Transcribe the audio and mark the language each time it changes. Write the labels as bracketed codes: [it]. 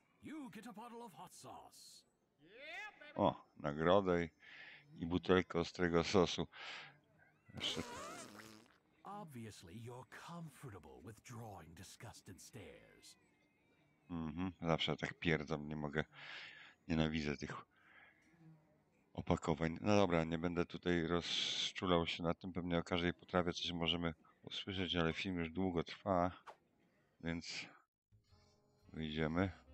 [en] You get a bottle of hot sauce. [pl] O, nagrodę i butelkę ostrego sosu. [en] A obviously you're comfortable with drawing disgusted stares. [pl] Mhm, zawsze tak pierdzą, nie mogę. Nienawidzę tych opakowań. No dobra, nie będę tutaj rozczulał się nad tym. Pewnie o każdej potrawie coś możemy usłyszeć, ale film już długo trwa, więc wyjdziemy.